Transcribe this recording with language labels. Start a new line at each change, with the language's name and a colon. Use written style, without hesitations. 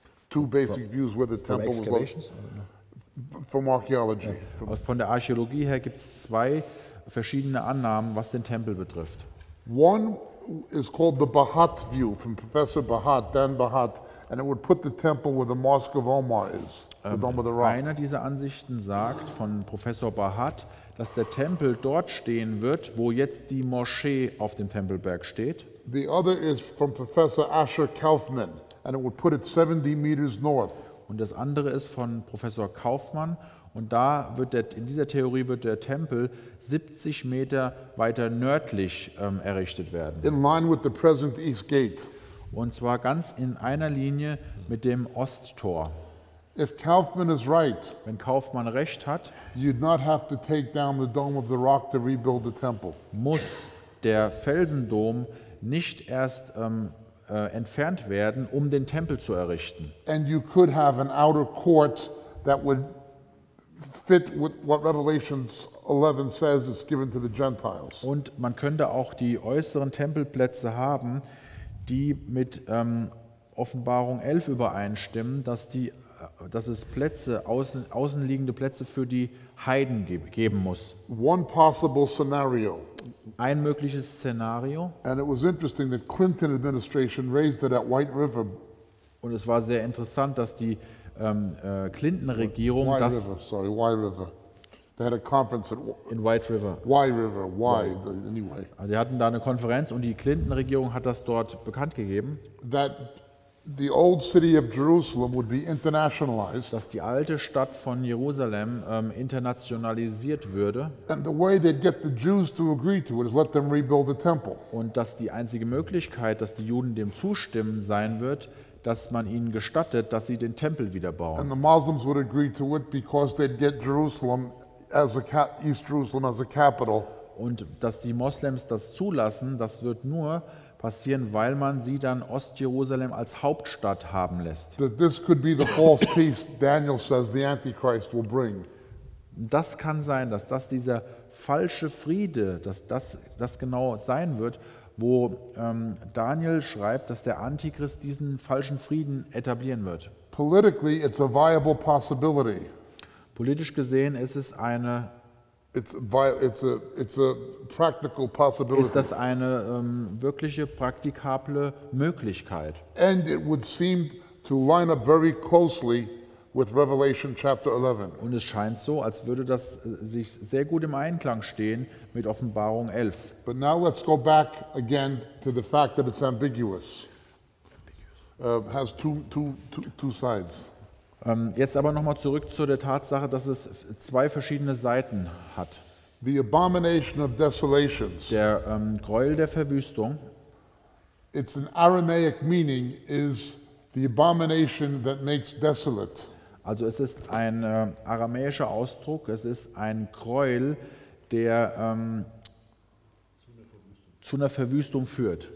English: two basic views where the temple was located. From archaeology.
German: Von der Archäologie her gibt es 2 verschiedene Annahmen, was den Tempel betrifft.
English: One is called the Bahat view from Professor Bahat, Dan Bahat, and it would put the temple where the Mosque of Omar is, the Dome of the Rock.
German: Einer dieser Ansichten sagt von Professor Bahat, dass der Tempel dort stehen wird, wo jetzt die Moschee auf dem Tempelberg steht.
English: The other is from Professor Asher Kaufman, and it would put it 70 meters north.
German: Und das andere ist von Professor Kaufmann. Und da wird in dieser Theorie wird der Tempel 70 Meter weiter nördlich errichtet werden.
English: In line with the present east gate.
German: Und zwar ganz in einer Linie mit dem Osttor.
English: If Kaufmann is right,
German: wenn Kaufmann recht hat,
English: you'd not have to take down the Dome of the Rock to rebuild the temple.
German: Muss der Felsendom nicht erst entfernt werden, um den Tempel zu errichten.
English: And you could have an outer court that would fit with what Revelation 11 says is given to the Gentiles.
German: Und man könnte auch die äußeren Tempelplätze haben, die mit Offenbarung 11 übereinstimmen, dass es Plätze außenliegende Plätze für die Heiden geben muss.
English: One possible scenario.
German: Ein mögliches Szenario.
English: And it was interesting that Clinton administration raised it at White River.
German: Und es war sehr interessant, dass die Clinton-Regierung
English: White River, sorry, White River. They had a conference at
German: in White River.
English: Why?
German: Also sie hatten da eine Konferenz und die Clinton-Regierung hat das dort bekannt gegeben.
English: That the old city of Jerusalem would be internationalized.
German: Dass die alte Stadt von Jerusalem internationalisiert würde.
English: And the way they'd get the Jews to agree to it is let them rebuild the temple.
German: Und dass die einzige Möglichkeit, dass die Juden dem zustimmen, sein wird, dass man ihnen gestattet, dass sie den Tempel wieder bauen.
English: And the Muslims would agree to it because they'd get Jerusalem as a East Jerusalem as a capital.
German: Und dass die Moslems das zulassen, das wird nur passieren, weil man sie dann Ost-Jerusalem als Hauptstadt haben lässt.
English: This could be the false peace Daniel says the Antichrist will bring.
German: Das kann sein, dass das dieser falsche Friede, dass das genau sein wird, wo Daniel schreibt, dass der Antichrist diesen falschen Frieden etablieren wird.
English: Politically, it's a viable possibility.
German: Politisch gesehen ist es eine
English: it's a practical possibility.
German: Ist das eine wirkliche praktikable Möglichkeit?
English: And it would seem to line up very closely with Revelation chapter 11.
German: Und es scheint so, als würde das sich sehr gut im Einklang stehen mit Offenbarung 11.
English: But now let's go back again to the fact that it's ambiguous. Has two sides.
German: Jetzt aber nochmal zurück zu der Tatsache, dass es zwei verschiedene Seiten hat.
English: The abomination of desolations.
German: Der Gräuel der Verwüstung.
English: It's an Aramaic meaning is the abomination that makes desolate.
German: Also es ist ein aramäischer Ausdruck, es ist ein Gräuel, der zu einer Verwüstung führt.